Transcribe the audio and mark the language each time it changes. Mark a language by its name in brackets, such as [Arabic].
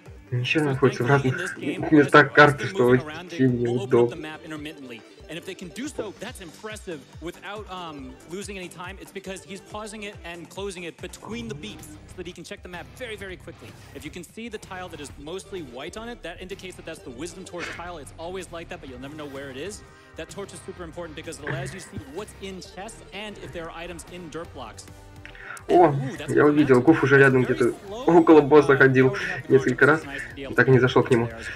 [Russian] Еще находится в разных местах карты, что очень неудобно. [English] And if they can do so, that's impressive. Without losing any time, it's because he's pausing it and closing it between the beats so that he can check the map very, very quickly. If you can see the tile that is mostly white on it, that indicates that that's the Wisdom Torch tile. It's always like that, but you'll never know where it is. That torch is super important because it allows you to see what's in chests and if there are items in dirt blocks. [Russian] О, я увидел, Гуф уже рядом где-то около босса ходил несколько раз, так и не зашел к нему.